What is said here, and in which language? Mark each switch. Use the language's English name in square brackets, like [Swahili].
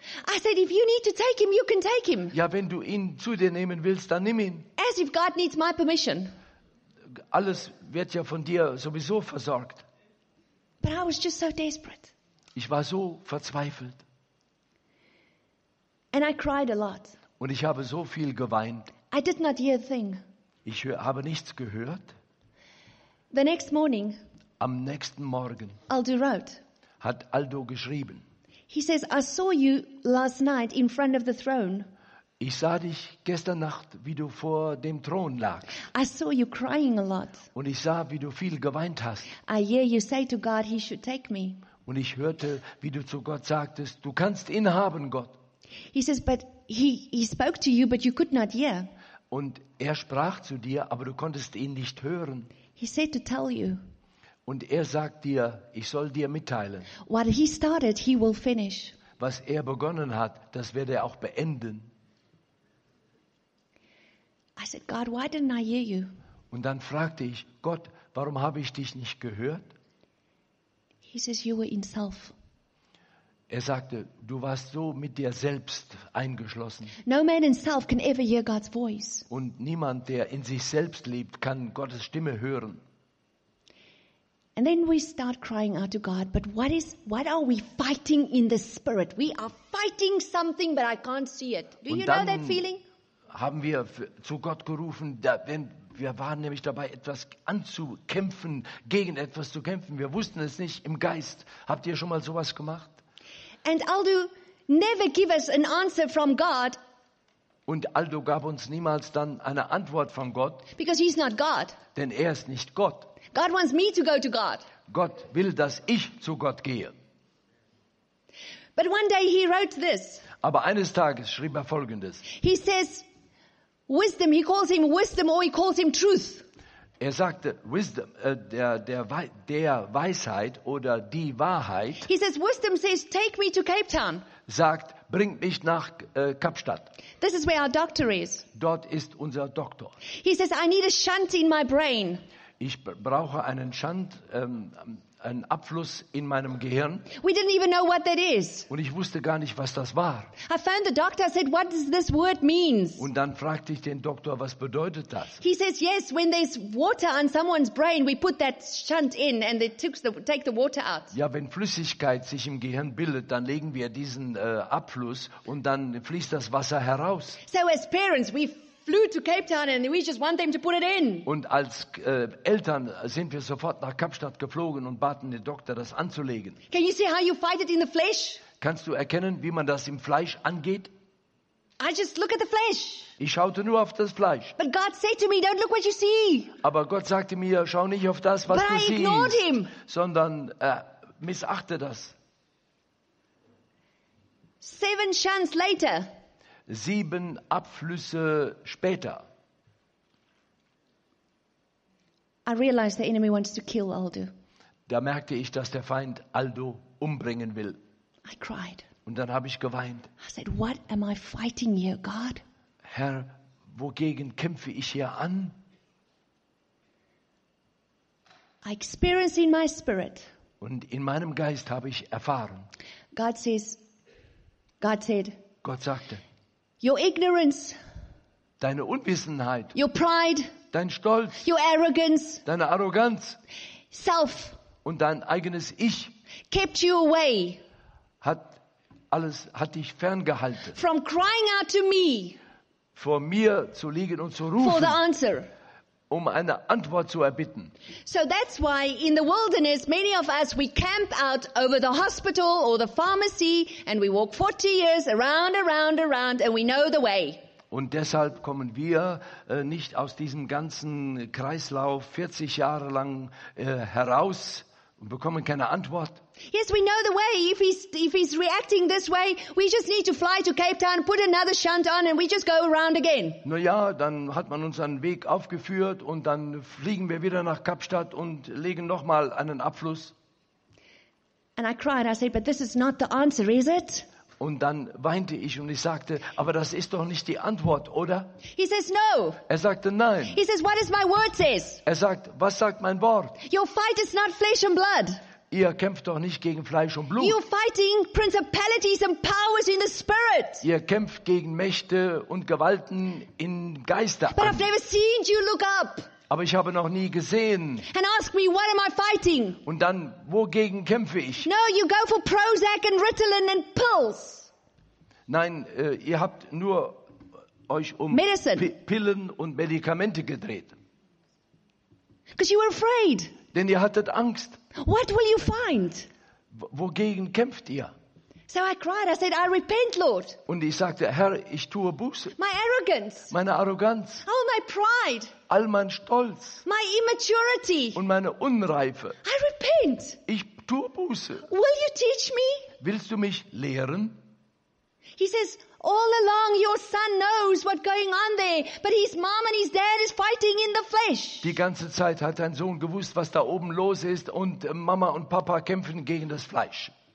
[English] I said, if you need to take him, you can take him. [German] Ja, wenn du ihn zu dir nehmen willst, dann nimm ihn. [English] As if God needs my permission. [German] Alles wird ja von dir sowieso versorgt. [English] But I was just so desperate. [German] Ich war so verzweifelt. [English] And I cried a lot. [German] Und ich habe so viel geweint. [English] I did not hear a thing. [German] Ich habe nichts gehört. [English] The next morning. [German] Am nächsten Morgen. [English] Aldo wrote. [German] Hat Aldo geschrieben. [English] He says, I saw you last night in front of the throne. [German] Ich sah dich gestern Nacht, wie du vor dem Thron lagst. [English] I saw you crying a lot. [German] Und ich sah, wie du viel geweint hast. [English] I hear you say to God, he should take me. [German] Und ich hörte, wie du zu Gott sagtest, du kannst ihn haben, Gott. [English] He says, but he spoke to you, but you could not hear. [German] Und er sprach zu dir, aber du konntest ihn nicht hören. [English] He said to tell you. [German] Und er sagt dir, ich soll dir mitteilen. [English] What he started, he will finish. [German] was er begonnen hat, das wird er auch beenden. [English] I said, God, why didn't I hear you? [German] Und dann fragte ich, Gott, warum habe ich dich nicht gehört? [English] He says, you were in self. [German] Er sagte, du warst so mit dir selbst eingeschlossen. [English] No man in self can ever hear God's voice. [German] Und niemand, der in sich selbst lebt, kann Gottes Stimme hören. [English] And then we start crying out to God, but what are we fighting in the spirit? We are fighting something, but I can't see it. Do you know that feeling? [German] Haben wir zu Gott gerufen, da, wenn wir waren nämlich dabei, etwas anzukämpfen, gegen etwas zu kämpfen. Wir wussten es nicht im Geist. Habt ihr schon mal sowas gemacht? [English] And Aldo never gave us an answer from God. [German] Und Aldo gab uns niemals dann eine Antwort von Gott. [English] Because he's not God. [German] Denn er ist nicht Gott. [English] God wants me to go to God. [German] Gott will, dass ich zu Gott gehe. [English] But one day he wrote this. [German] Aber eines Tages schrieb er Folgendes. [English] He says, wisdom. He calls him wisdom, or he calls him truth. [German] Er sagte wisdom, der Weisheit oder die Wahrheit. [English] He says, wisdom says, take me to Cape Town. [German] Sagt, bring mich nach Kapstadt. [English] This is where our doctor is. [German] Dort ist unser Doktor. [English] He says, I need a shunt in my brain. [German] Ich brauche einen Shunt, einen Abfluss in meinem Gehirn. [English] We didn't even know what that is. [German] Und ich wusste gar nicht, was das war. [English] I found the doctor, I said, what does this word mean? [German] Und dann fragte ich den Doktor, was bedeutet das? [English] He says, yes, when there's water on someone's brain, we put that shunt in and they take the water out. [German] Ja, wenn Flüssigkeit sich im Gehirn bildet, dann legen wir diesen Abfluss und dann fließt das Wasser heraus. [English] So as parents, we flew to Cape Town and we just want them to put it in. [German] Und als Eltern sind wir sofort nach Kapstadt geflogen und baten den Doktor, das anzulegen. [English] Can you see how you fight it in the flesh? [German] Kannst du erkennen, wie man das im Fleisch angeht? [English] I just look at the flesh. [German] Ich schaute nur auf das Fleisch. [English] But God said to me, don't look what you see. [German] Aber Gott sagte mir, schau nicht auf das, was [English] but [German] du [English] I [German] siehst, [English] ignored him. [German] Sondern missachte das. [English] 7 shunts later. [German] 7 Abflüsse später. [English] I realized the enemy wants to kill Aldo. [German] Da merkte ich, dass der Feind Aldo umbringen will. [English] I cried. [German] Und dann habe ich geweint. [English] I said, what am I fighting here, God? [German] Herr, wogegen kämpfe ich hier an? [English] I experience in my spirit. [German] Und in meinem Geist habe ich erfahren. [English] God says, God said, [German] Gott sagte, [English] your ignorance, [German] deine Unwissenheit, [English] your pride, [German] dein Stolz, [English] your arrogance, [German] deine Arroganz, [English] self, [German] und dein eigenes Ich, [English] kept you away, [German] hat dich ferngehalten, [English] from crying out to me, [German] vor mir zu liegen und zu rufen, [English] for the answer, [German] um eine Antwort zu erbitten. [English] So that's why in the wilderness many of us we camp out over the hospital or the pharmacy and we walk 40 years around, around, around and we know the way. [German] Und deshalb kommen wir nicht aus diesem ganzen Kreislauf 40 Jahre lang heraus und bekommen keine Antwort. [English] Yes, we know the way. If he's reacting this way, we just need to fly to Cape Town, put another shunt on, and we just go around again. [German] Na ja, dann hat man uns einen Weg aufgeführt und dann fliegen wir wieder nach Kapstadt und legen nochmal einen Abfluss. [English] And I cried. I said, "But this is not the answer, is it?" [German] Und dann weinte ich und ich sagte, aber das ist doch nicht die Antwort, oder? [English] He says, no. [German] Er sagte, nein. [English] He says, what is my word says? [German] Er sagt, was sagt mein Wort? [English] Your fight is not flesh and blood. [German] Ihr kämpft doch nicht gegen Fleisch und Blut. [English] You're fighting principalities and powers in the spirit. [German] Ihr kämpft gegen Mächte und Gewalten im Geiste. [English] But I've never seen you look up. [German] Aber ich habe noch nie gesehen. [English] And ask me, what am I fighting? [German] Und dann, wogegen kämpfe ich? [English] No, you go for Prozac and Ritalin and pills. [German] Nein, ihr habt nur euch um Pillen und Medikamente gedreht. [English] Because you were afraid. [German] Denn ihr hattet Angst. [English] What will you find? [German] Wogegen kämpft ihr? [English] So I cried. I said, I repent, Lord. [German] Und ich sagte, Herr, ich tue Buße. [English] My arrogance. [German] Meine Arroganz. [English] All my pride. [German] All mein Stolz. [English] My immaturity. [German] Und meine Unreife. [English] I repent. [German] Ich tue Buße. [English] Will you teach me? [German] Willst du mich lehren? [English] He says, all along your son knows what's going on there, but his mom and his dad is fighting in the flesh. [German] Die ganze Zeit hat dein Sohn gewusst, was da oben los ist, und Mama und Papa kämpfen gegen das Fleisch.